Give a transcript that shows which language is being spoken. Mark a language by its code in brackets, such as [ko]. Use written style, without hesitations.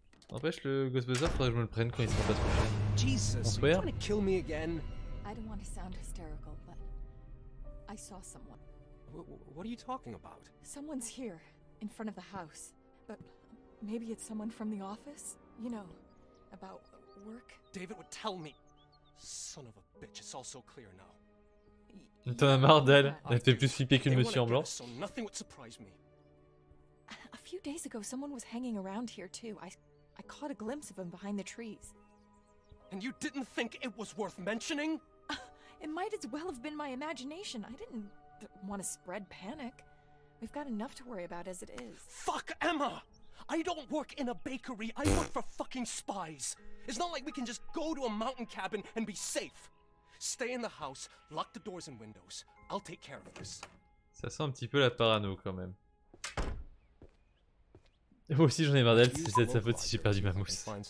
[fr] N'empêche, le Ghostbuster, faudrait que je me le prenne quand il sera pas trop cher. [en] Jesus, are you trying to kill me again? I don't want to sound hysterical, but I saw someone. What are you talking about? Someone's here, in front of the house. But maybe it's someone from the office? You know, about work? David would tell me. Son of a bitch, it's all so clear now. [fr] T'en as marre d'elle? Elle fait plus flipper qu'une monsieur en blanc. [en] So nothing would surprise me. A few days ago, someone was hanging around here too. I caught a glimpse of him behind the trees. And you didn't think it was worth mentioning? It might as well have been my imagination. I didn't want to spread panic. We've got enough to worry about as it is. Fuck Emma! I don't work in a bakery. I work for fucking spies. It's not like we can just go to a mountain cabin and be safe. Stay in the house, lock the doors and windows. I'll take care of this. [fr] Ça sent un petit peu la parano quand même. Moi aussi j'en ai marre d'elle, c'est de sa faute si j'ai perdu ma mousse.